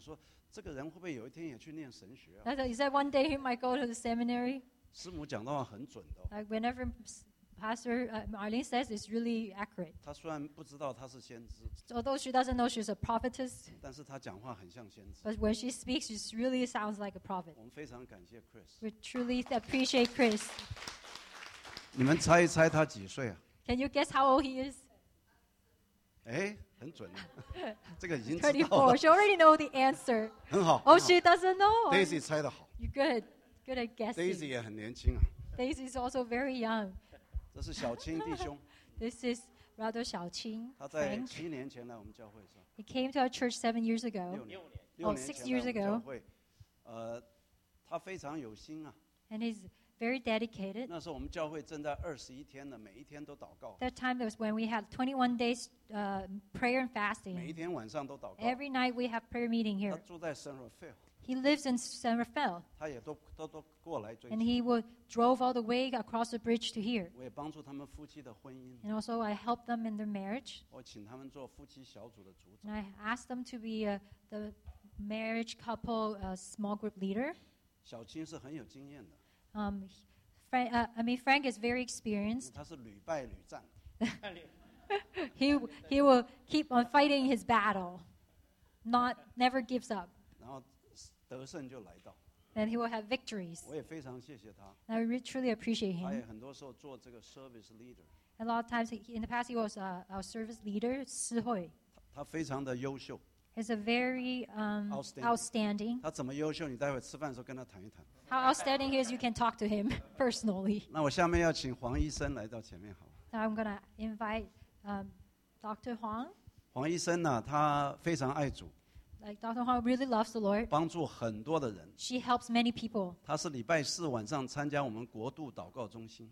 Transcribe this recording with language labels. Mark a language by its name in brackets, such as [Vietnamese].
[Chinese] 所以那个师母跟我讲说，这个人会不会有一天也去念神学？ [English] He said one day he might go to the seminary. [Chinese] 师母讲的话很准的。 [English] Like whenever Pastor Marlene says it's really accurate. [Chinese] 她虽然不知道她是先知, [English] although she doesn't know she's a prophetess, [Chinese] 但是她讲话很像先知, [English] but when she speaks, she really sounds like a prophet. [Chinese] 我们非常感谢Chris. [English] We truly appreciate Chris. [Chinese] 你们猜一猜她几岁啊? [English] Can you guess how old he is? [Chinese] 诶,很准, [English] 34, she already knows the answer. [Chinese] 很好, [English] oh, she doesn't know. [Chinese] Daisy猜得好。 [English] You're good. Good at guessing. [Chinese] Daisy也很年轻啊。 [English] Daisy is also very young. [Chinese] 这是小青弟兄。 [English] This is Brother 小青。 [Chinese] 他在七年前来我们教会是吧？ [English] He came to our church 7 years ago. [Chinese] 六年。 [English] Oh, 6 years ago. [Chinese] 他非常有心啊。 [English] And he's very dedicated. [Chinese] 那时候我们教会正在21天的每一天都祷告。 [English] That time was when we had 21 days prayer and fasting. [Chinese] 每一天晚上都祷告。 [English] Every night we have prayer meeting here. [Chinese] 他住在San Rafael。 [English] He lives in San Rafael. [Chinese] 他也都过来追求, [English] and he would drove all the way across the bridge to here. [Chinese] 我也帮助他们夫妻的婚姻, [English] and also I helped them in their marriage. [Chinese] 我请他们做夫妻小组的组长, [English] and I asked them to be the marriage couple small group leader. [Chinese] 小青是很有经验的, [English] Frank is very experienced. [Chinese] 他是屡败屡战, [English] he will keep on fighting his battle, never gives up. [Chinese] 得胜就来到, [English] and he will have victories. [Chinese] 我也非常谢谢他, [English] and I really truly appreciate him. [Chinese] 他也很多时候做这个 [English] service leader. A lot of times in the past he was our service leader, 司会. [Chinese] 他非常的优秀. [English] He's a very outstanding. [Chinese] 他怎么优秀, 你待会吃饭的时候跟他谈一谈。 [English] How outstanding he is, you can talk to him personally. [Chinese] 那我下面要请黄医生来到前面好。 [English] Now I'm going to invite Dr. Huang. [Chinese] 黄医生呢, 他非常爱主。 [English] Like Dr. Huang really loves the Lord. [Chinese] 帮助很多的人。 [English] She helps many people. [Chinese] 她是礼拜四晚上参加我们国度祷告中心。